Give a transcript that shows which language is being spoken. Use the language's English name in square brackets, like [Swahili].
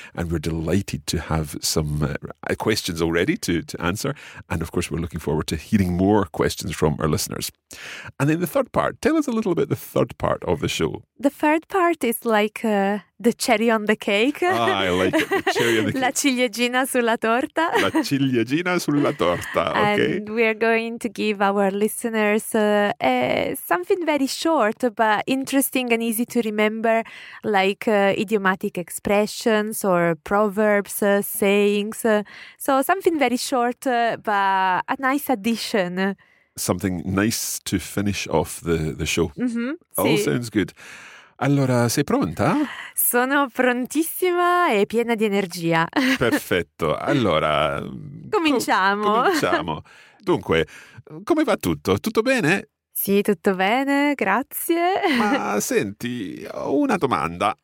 [English] And we're delighted to have some questions already to answer. And of course, we're looking forward to hearing more questions from our listeners. And then the third part. Tell us a little bit the third part of the show. The third part is like the cherry on the cake. Ah, I like it. The cherry on the cake. [Italian] La ciliegina sulla torta. La ciliegina sulla torta. [English] Okay. And we are going to give our listeners something very short but interesting and easy to remember, like idiomatic expressions or proverbs, sayings. So something very short but a nice addition. Something nice to finish off the show. Mm-hmm. All sounds good. [Italian] Allora, sei pronta? Sono prontissima e piena di energia. Perfetto. Allora, cominciamo. Cominciamo. Dunque, come va tutto? Tutto bene? Sì, tutto bene, grazie. Ma senti, ho una domanda.